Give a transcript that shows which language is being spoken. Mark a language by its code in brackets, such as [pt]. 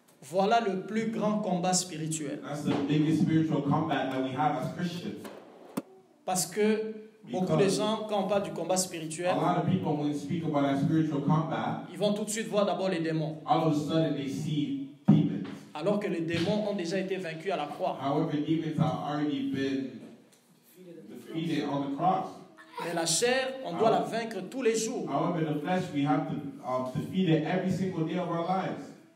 [fr] Voilà le plus grand combat spirituel. [en] That's the biggest spiritual combat that we have as Christians. [fr] Parce que [en] because [fr] beaucoup de gens, quand on parle du combat spirituel, [en] a lot of people, when they speak about that spiritual combat, [fr] ils vont tout de suite voir d'abord les démons. [en] All of a sudden they see demons. [fr] Alors que les démons ont déjà été vaincus à la croix. [en] However, demons have already been defeated on the cross. [fr] Mais la chair, on however, doit la vaincre tous les jours. [en] However, the flesh, we have to defeat it every single day of our lives.